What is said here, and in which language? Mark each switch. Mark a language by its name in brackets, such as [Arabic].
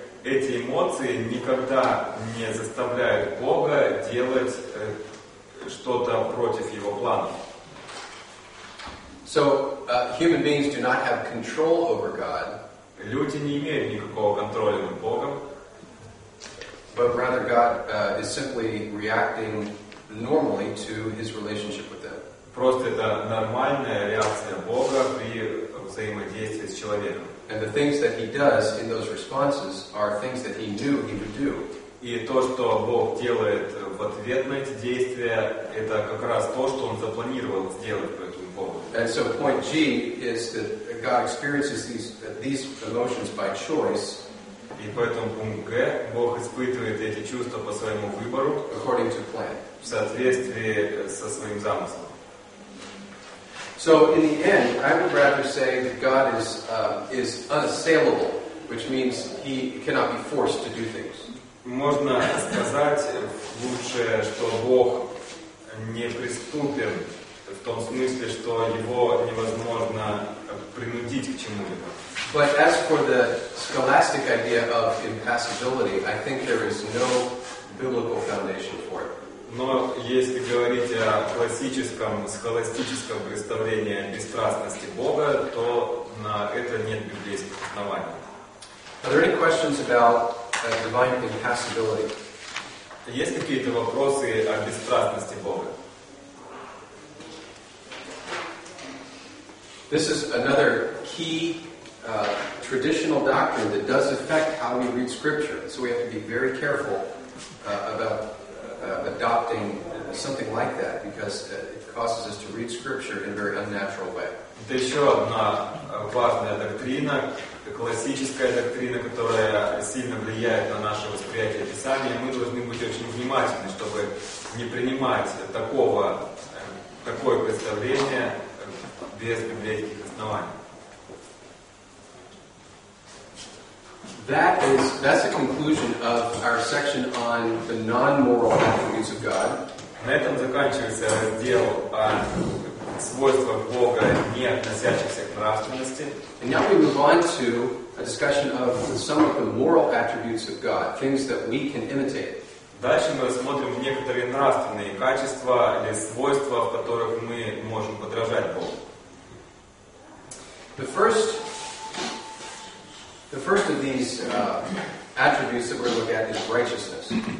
[Russian] Эти эмоции никогда не заставляют Бога делать что-то против Его плана. [English] So human beings do not have control over God. [Russian] Люди не имеют никакого контроля над Богом. [English] But rather, God is simply reacting normally to His relationship with them. [Russian] Просто это нормальная реакция Бога при взаимодействии с человеком. [English] And the things that He does in those responses are things that He knew He would do. [Russian] И то, что Бог делает в ответ на эти действия, это как раз то, что Он запланировал сделать по этому поводу. [English] And so point G is that God experiences these emotions by choice. [Russian] И поэтому пункт Г, Бог испытывает эти чувства по своему выбору. [English] According to plan. [Russian] В соответствии со своим замыслом. [English] So in the end, I would rather say that God is unassailable, which means He cannot be forced to do things. [Russian] Можно сказать лучше, что Бог неприступен в том смысле, что Его невозможно принудить к чему-либо. [English] But as for the scholastic idea of impassibility, I think there is no biblical foundation for it. [Russian] Но если говорить о классическом, схоластическом представлении бесстрастности Бога, то на это нет библейских оснований. [English] Are there any questions about divine impassibility? [Russian] Есть какие-то вопросы о бесстрастности Бога? [English] This is another key traditional doctrine that does affect how we read Scripture. So we have to be very careful about adopting something like that, because it causes us to read Scripture in a very unnatural way. [Russian] Это еще одна важная доктрина, классическая доктрина, которая сильно влияет на наше восприятие Писания. Мы должны быть очень внимательны, чтобы не принимать такое представление без библейских оснований. [English] That's the conclusion of our section on the non-moral attributes of God. [Russian] На этом заканчивается раздел о свойствах Бога, не относящихся к нравственности. [English] And now we move on to a discussion of some of the moral attributes of God, things that we can imitate. [Russian] Дальше мы рассмотрим некоторые нравственные качества или свойства, в которых мы можем подражать Богу. [English] The first of these attributes that we're looking at is righteousness.